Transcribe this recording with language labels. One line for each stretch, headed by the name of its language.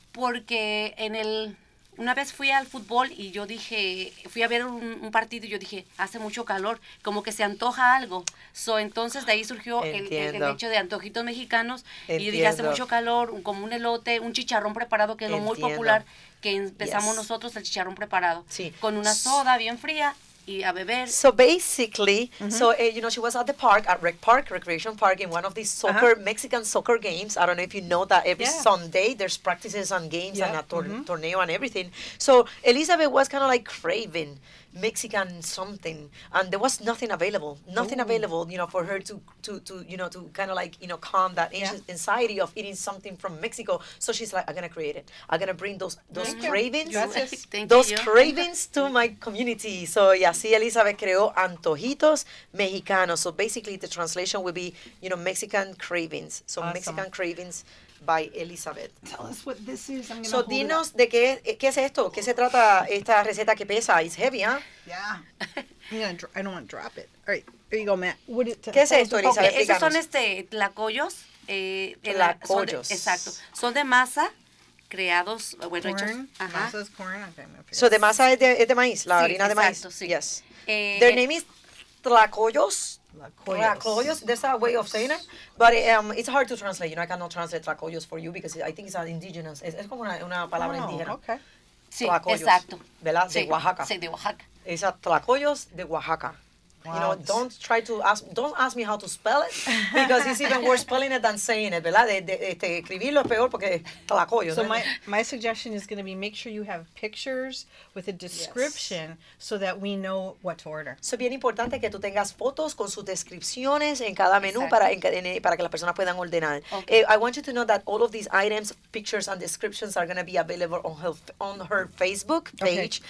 Spanish: Porque una vez fui al fútbol y yo dije, fui a ver un partido y yo dije, hace mucho calor, como que se antoja algo. So, entonces de ahí surgió el hecho de Antojitos Mexicanos. Entiendo. Y yo dije, hace mucho calor, como un elote, un chicharrón preparado, que es lo Entiendo. Muy popular, que empezamos yes. nosotros el chicharrón preparado. Sí. Con una soda bien fría. y a beber.
English: So basically, you know, she was at the park, at Rec Park, Recreation Park, in one of these soccer, Mexican soccer games. I don't know if you know that every Sunday there's practices and games and a tornado and everything. So Elizabeth was kind of like craving Mexican something, and there was nothing available, available, you know, for her to you know, to kind of like, you know, calm that anxiety of eating something from Mexico. So she's like, I'm gonna create it. I'm gonna bring those cravings, those cravings to my community. So yeah, see, Elizabeth creó Antojitos Mexicanos. So basically, the translation will be, you know, Mexican cravings. So awesome. Mexican cravings by Elizabeth. Tell us what this is. I'm
Spanish: so dinos de qué es esto, qué se trata esta receta que pesa.
English: It's heavy, huh? Yeah. I don't want to drop it. All right, there you go, Matt. What is
Spanish: ¿Qué es esto, Elizabeth? Okay. Esos son tlacoyos. Tlacoyos. Exacto. Son de masa. Creados, bueno,
English: corn,
Spanish: hechos.
English: Corn,
Spanish: so, de masa es de maíz, la harina de maíz. Exacto, sí.
English: Yes. Their name is tlacoyos. Tlacoyos. There's a way of saying it, but it's hard to translate. You know, I cannot translate tlacoyos for you because I think it's an indigenous.
Spanish: Es como una palabra indígena.
English: Okay.
Spanish: Sí, tlacoyos. Exacto. ¿Verdad? De Oaxaca. Sí, de Oaxaca. Es a tlacoyos de Oaxaca.
English: Wow. You know, don't try to ask. Don't ask me how to spell it, because it's even worse spelling it than saying it.
Spanish: ¿Verdad? De escribirlo es peor porque tlacoyos.
English: So my suggestion is going to be, make sure you have pictures with a description so that we know what to order.
Spanish: So bien importante que tú tengas fotos con sus descripciones en cada menú para que las personas puedan ordenar.
English: Okay. I want you to know that all of these items, pictures and descriptions are going to be available on her Facebook page.